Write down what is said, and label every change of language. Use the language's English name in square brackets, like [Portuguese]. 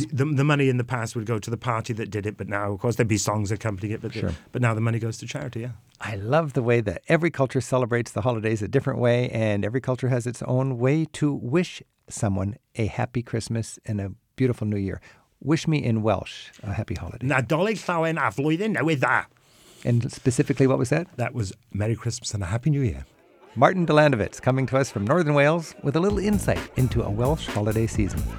[English] Yeah, the money in the past would go to the party that did it, but now, of course, there'd be songs accompanying it, but now the money goes to charity, yeah. I love the way that every culture celebrates the holidays a different way, and every culture has its own way to wish someone a happy Christmas and a beautiful new year. Wish me in Welsh a happy holiday. [Welsh] Nadolig llawen a flwyddyn newydd dda. [English] And specifically, what was that? That was Merry Christmas and a Happy New Year. Martin Dylanowicz coming to us from Northern Wales with a little insight into a Welsh holiday season.